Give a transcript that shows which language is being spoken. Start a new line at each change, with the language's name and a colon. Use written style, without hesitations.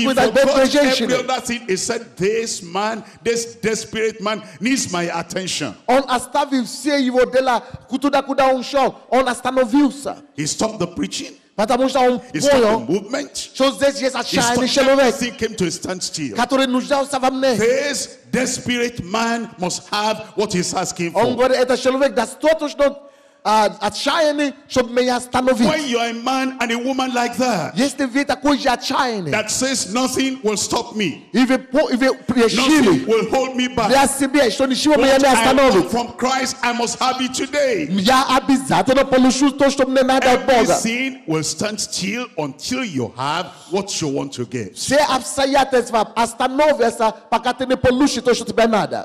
English: бы every other thing he said, this man, this desperate man, needs my attention.
Russian: Он оставил все его дела, куда куда он шел. Он остановился.
English: He stopped the preaching.
Russian: Потому что он понял, что здесь есть отчаянный человек, который нуждался во мне.
English: This desperate man must have what he's asking for.
Russian: Он говорит, это человек достаточно отчаянный, чтобы меня остановить.
English: When you are a man and a woman like that,
Russian: если вы такой же отчаянный,
English: that says nothing will stop me. If nothing will hold me back.
Russian: Для себя, что ничего меня не остановит.
English: From Christ, I must have it today.
Russian: Я обязательно получу то, что мне надо от Бога.
English: Everything will stand still until you have what you want to get.
Russian: Все обстоятельства остановятся, пока ты не получишь то, что тебе надо.